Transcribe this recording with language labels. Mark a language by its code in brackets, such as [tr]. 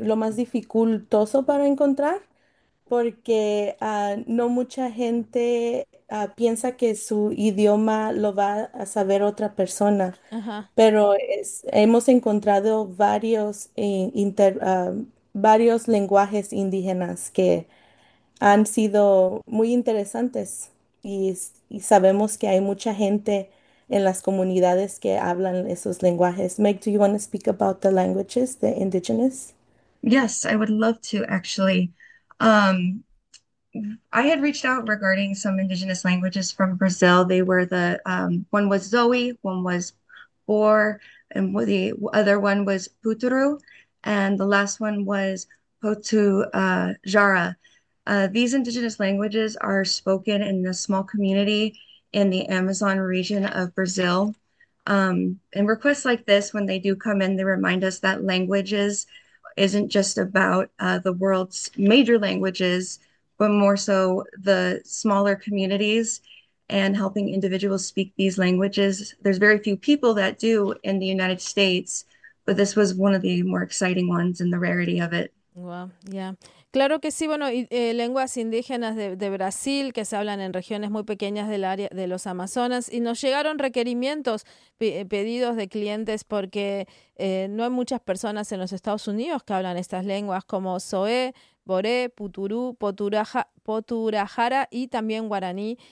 [es] Lo más dificultoso para encontrar, porque no mucha gente piensa que su idioma lo va a saber otra persona, pero hemos encontrado varios lenguajes indígenas que han sido muy interesantes y sabemos que hay mucha gente en las comunidades que hablan esos lenguajes. [en] Meg, do you want to speak about the languages, the indigenous? Yes, I would love to actually. I had reached out regarding some indigenous languages from Brazil. They were the one was Zoe, one was Or, and the other one was Puturu, and the last one was Potu-Jara. These indigenous languages are spoken in a small community in the Amazon region of Brazil. And requests like this, when they do come in, they remind us that languages isn't just about the world's major languages, but more so the smaller communities. And helping individuals speak these languages. There's very few people that do in the United States, but this was one of the more exciting ones and the rarity of it. Wow, yeah. [es] Claro que sí, bueno, lenguas indígenas de Brasil que se hablan en regiones muy pequeñas del área de los Amazonas y nos llegaron requerimientos, pedidos de clientes porque no hay muchas personas en los Estados Unidos que hablan estas lenguas como Zoé, Boré, Puturú, Poturajara y también Guaraní.